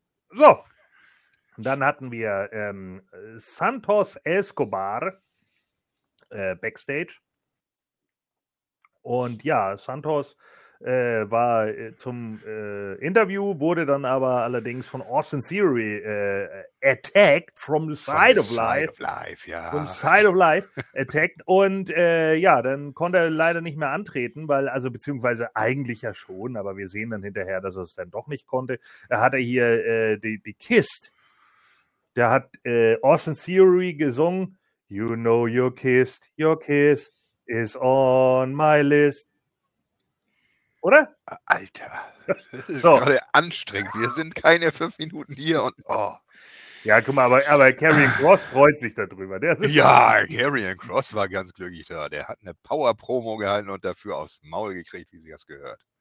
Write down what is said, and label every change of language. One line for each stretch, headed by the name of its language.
German: So. Dann hatten wir Santos Escobar backstage. Und ja, Santos war zum Interview, wurde dann aber allerdings von Austin Theory
English: attacked from the side of life. From the side of life attacked.
German: Und ja, dann konnte er leider nicht mehr antreten, weil, also beziehungsweise eigentlich ja schon, aber wir sehen dann hinterher, dass er es dann doch nicht konnte. Er hatte hier die Kiste. Der hat Austin Theory gesungen.
English: You know your kiss is on my list.
German: Oder? Alter, das ist so gerade anstrengend. Wir sind keine 5 Minuten hier und oh. Ja, guck mal, aber Karrion Kross freut sich darüber. Der ist ja, Karrion Kross war ganz glücklich da. Der hat eine Power-Promo gehalten und dafür aufs Maul gekriegt, wie sich das gehört.